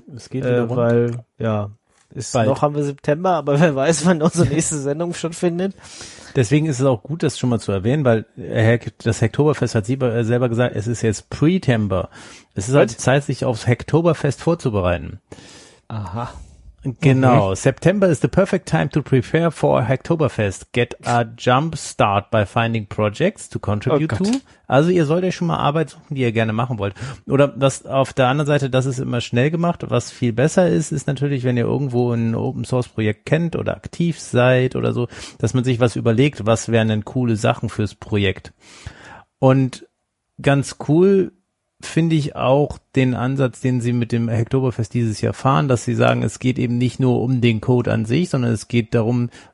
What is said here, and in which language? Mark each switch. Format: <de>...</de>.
<de>Es geht wieder rund. Weil, ja. Ist bald. Noch haben wir September, aber wer weiß, wann unsere nächste Sendung schon findet. Deswegen ist es auch gut, das schon mal zu erwähnen, weil das Hacktoberfest hat sie selber gesagt, es ist jetzt Pre-Tember. Es ist halt Zeit, sich aufs Hacktoberfest vorzubereiten. Aha. Genau. Mhm.</de> <en>September is the perfect time to prepare for Hacktoberfest. Get a jump start by finding projects to contribute to.</en> <de>Also ihr solltet schon mal Arbeit suchen, die ihr gerne machen wollt. Oder was auf der anderen Seite, das ist immer schnell gemacht. Was viel besser ist, ist natürlich, wenn ihr irgendwo ein Open-Source-Projekt kennt oder aktiv seid oder so, dass man sich was überlegt, was wären denn coole Sachen fürs Projekt. Und ganz cool finde ich auch den Ansatz, den sie mit dem Hacktoberfest dieses Jahr fahren, dass sie sagen, es geht eben nicht nur um den Code an sich, sondern es geht darum,</de>